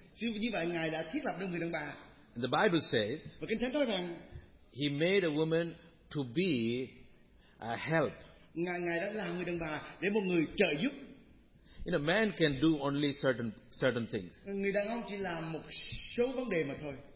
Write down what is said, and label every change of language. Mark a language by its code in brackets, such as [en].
[vi] Như vậy ngài đã thiết lập được người đàn bà. [en] And the Bible says, [vi] và Kinh Thánh nói rằng [en] he made a woman to be a help. [vi] Ngài đã làm người đàn bà để một người trợ giúp. [en] You know, man can do only certain things. [vi] Người đàn ông chỉ làm một số vấn đề mà thôi.